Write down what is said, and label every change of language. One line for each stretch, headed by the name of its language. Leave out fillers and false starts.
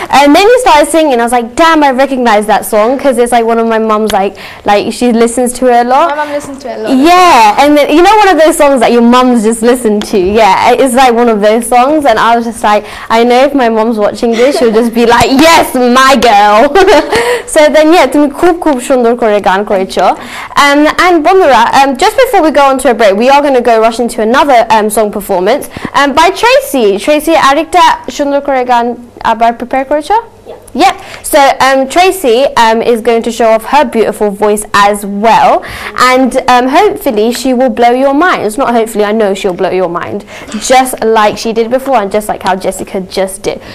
English: And then you started singing, I was like, damn, I recognize that song, because it's like one of my mom's, like she listens to it a lot. My mom listens to it a lot. Yeah, and then, you know, one of those songs that your mom's just listened to. Yeah, it's like one of those songs, and I was just like, I know if my mom's watching this, she'll just be like, yeah, yes, my girl. So then, yeah,
Bangla: তুমি খুব খুব সুন্দর করে গান করেছো.
English: And বন্ধুরা, just before we go on to a break, we are going to go rush into another song performance by Tracy.
Bangla: Tracy, আরেকটা সুন্দর করে গান আবার prepare করেছো?
English: Yep. So Tracy is going to show off her beautiful voice as well, and hopefully she will blow your mind. It's not hopefully, I know she'll blow your mind, just like she did before, and just like how Jessica just did.